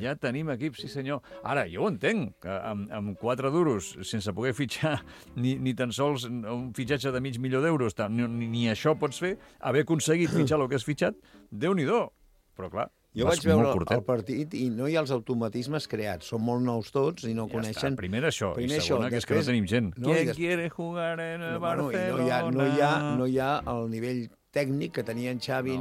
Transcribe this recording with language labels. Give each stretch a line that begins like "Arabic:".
Catalan: Ja tenim equip, sí senyor. Ara, jo ho entenc, que amb 4 duros, sense poder fitxar ni tan sols un fitxatge de mig milió d'euros, ni això pots fer, haver aconseguit fitxar el que has fitxat, Déu-n'hi-do. Però clar, jo vaig veure el partit i no hi ha els automatismes creats. Són molt nous tots i no ja coneixen... Està. Primer això, primer i segona, això, després... que és que no tenim gent.
Spanish: No, ¿quién quiere jugar en el Barcelona?
Catalan: No hi ha el nivell tècnic que tenien Xavi, no.